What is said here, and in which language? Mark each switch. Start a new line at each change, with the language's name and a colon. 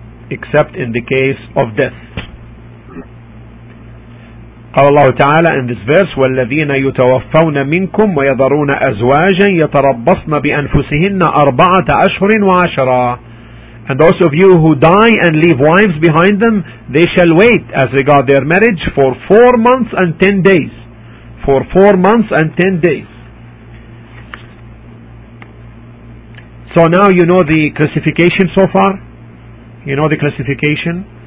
English: Except in the case of death.
Arabic: قال الله تعالى in this verse, والذين يتوفون منكم ويذرون أزواجا يتربصن بأنفسهن 4 أشهر.
English: And those of you who die and leave wives behind them, they shall wait as regard their marriage for 4 months and 10 days. For 4 months and 10 days. So now you know the classification so far? You know the classification?